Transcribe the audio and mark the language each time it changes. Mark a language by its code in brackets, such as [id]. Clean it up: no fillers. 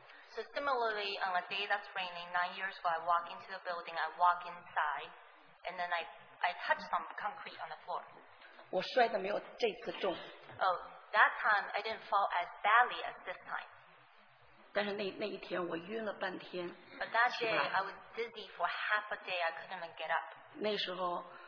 [en] So similarly, on a day that's raining, 9 years ago, I walk into the building, I walk inside, and then I touch some concrete on the floor. [zh] 我摔得没有这次重。 [en] Oh, that time, I didn't fall as badly as this time. [zh] 但是那一天我晕了半天, [en] But that day, I was dizzy for half a day, I couldn't even get up.